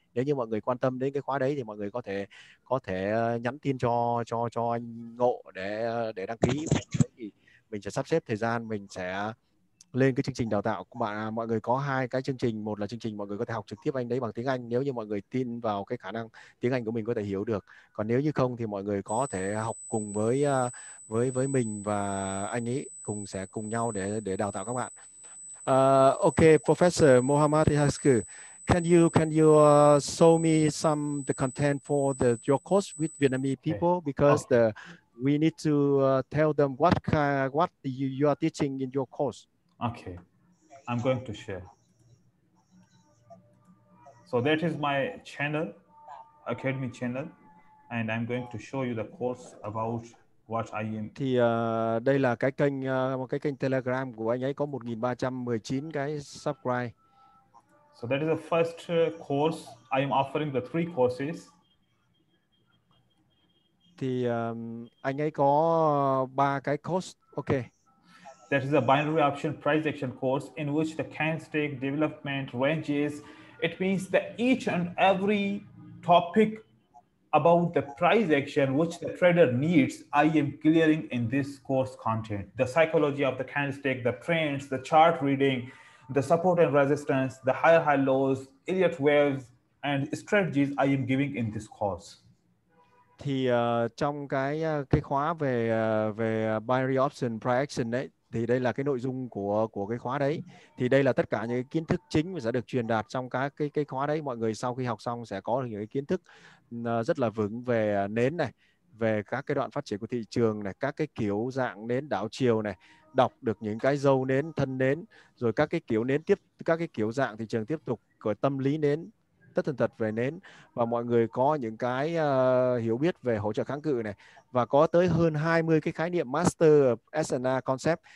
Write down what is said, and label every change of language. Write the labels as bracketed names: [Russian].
[Vietnamese] Nếu như mọi người quan tâm đến cái khóa đấy thì mọi người có thể nhắn tin cho anh Ngộ để đăng ký, thì mình sẽ sắp xếp thời gian mình sẽ lên cái chương trình đào tạo. Mọi người có hai cái chương trình, một là chương trình mọi người có thể học trực tiếp anh đấy bằng tiếng Anh nếu như mọi người tin vào cái khả năng tiếng Anh của mình có thể hiểu được, còn nếu như không thì mọi người có thể học cùng với mình và anh ấy cùng nhau để đào tạo các bạn. [English] Okay, Professor Mohammad Ihaku, can you show me some the content for your course with Vietnamese people? Okay. Because we need to tell them what you are teaching in your course. Okay, I'm going to share. So that is my channel, Academy channel, and I'm going to show you the course about what I am. [Vietnamese] Thì đây là cái kênh một cái kênh Telegram của anh ấy có 1319 cái subscribe. [English] So that is the first course. I am offering the three courses. [Vietnamese] Thì anh ấy có ba cái course. [English] Okay. That is a binary option price action course in which the candlestick development ranges. It means that each and every topic about the price action which the trader needs, I am clearing in this course content. The psychology of the candlestick, the trends, the chart reading, the support and resistance, the higher high lows, Elliott waves, and strategies I am giving in this course. [Vietnamese] Thì trong cái khóa về về binary option price action đấy, thì đây là cái nội dung của cái khóa đấy. Thì đây là tất cả những cái kiến thức chính mà sẽ được truyền đạt trong cái khóa đấy. Mọi người sau khi học xong sẽ có được những cái kiến thức rất là vững về nến này, về các cái đoạn phát triển của thị trường này, các cái kiểu dạng nến đảo chiều này, đọc được những cái dâu nến, thân nến, rồi các cái kiểu nến tiếp, các cái kiểu dạng thị trường tiếp tục, của tâm lý nến, tất thần thật về nến, và mọi người có những cái hiểu biết về hỗ trợ kháng cự này, và có tới hơn 20 cái khái niệm master S&A concept.